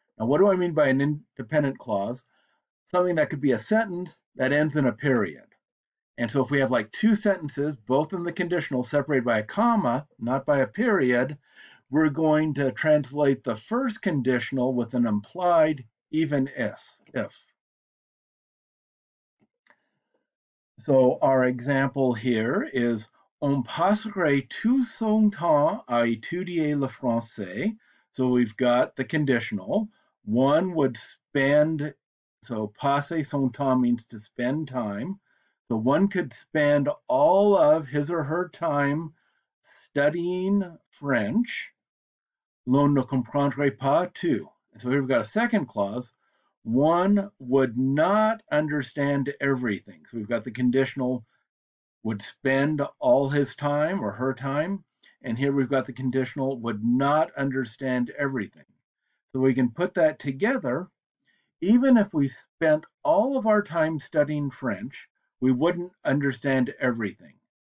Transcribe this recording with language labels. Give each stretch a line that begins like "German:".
English: Now, what do I mean by an independent clause? Something that could be a sentence that ends in a period. And so if we have like two sentences, both in the conditional separated by a comma, not by a period, we're going to translate the first conditional with an implied even if. So our example here is
French: on passerait tout son temps à étudier le français.
English: So we've got the conditional. One would spend, so
French: passer son temps
English: means to spend time. So one could spend all of his or her time studying French.
French: L'on ne comprendrait pas tout.
English: And so here we've got a second clause. One would not understand everything. So we've got the conditional would spend all his time or her time. And here we've got the conditional would not understand everything. So we can put that together. Even if we spent all of our time studying French, we wouldn't understand everything.